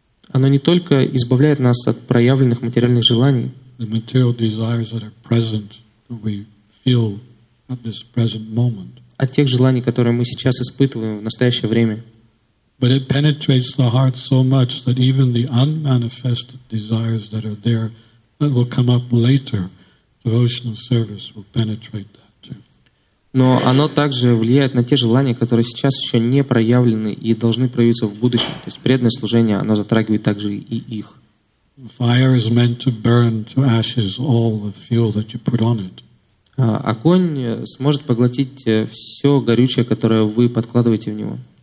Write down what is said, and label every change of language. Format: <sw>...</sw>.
<ru>Оно не только избавляет нас от проявленных материальных желаний.</ru> <en>The material desires that are present that we feel at this present moment.</en> <ru>От тех желаний, которые мы сейчас испытываем в настоящее время.</ru> <en>But it penetrates the heart so much that even the unmanifested desires that are there that will come up later, devotional service will penetrate that too.</en> <ru>Но оно также влияет на те желания, которые сейчас еще не проявлены и должны проявиться в будущем. То есть преданное служение, оно затрагивает также и их.</ru> <en>Fire is meant to burn to ashes all the fuel that you put on it.</en> <ru>Огонь сможет поглотить все горючее, которое вы подкладываете в него.</ru>